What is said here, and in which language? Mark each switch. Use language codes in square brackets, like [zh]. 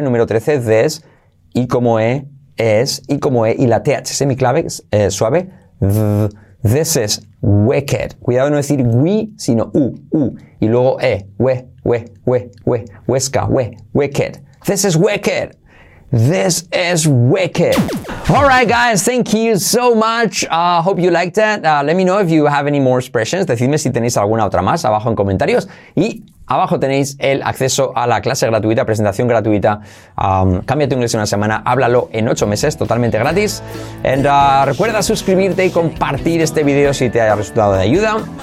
[es] Número 13, this, y como E, es, y como E, y la TH semiclave, suave, [en] this is wicked. [es] Cuidado de no decir we, sino u, y luego E, we, huesca, we, wicked. [en] This is wicked. This is wicked. All right, guys, thank you so much. Hope you liked it. Let me know if you have any more expressions. [es] Decidme si tenéis alguna otra más abajo en comentarios. Y abajo tenéis el acceso a la clase gratuita, presentación gratuita. Cambia tu inglés en una semana, háblalo en 8 meses, totalmente gratis. And recuerda suscribirte y compartir este video si te ha resultado de ayuda.